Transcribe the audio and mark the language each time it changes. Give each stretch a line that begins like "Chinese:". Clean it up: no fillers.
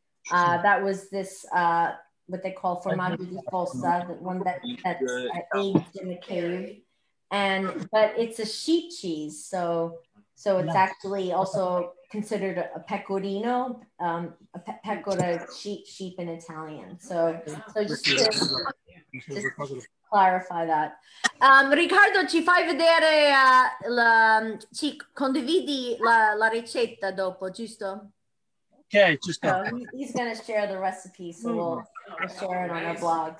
English: That was this, what they call formaggio di fossa, the one that's aged in the cave. And but it's a sheep cheese, so it's actually also considered a pecorino, a pecora, sheep in Italian. So just to clarify that.
Italian: Riccardo, ci fai vedere, ci condividi la ricetta dopo, giusto? Okay, giusto.
English: He's going to share the recipe, so we'll share it on our blog.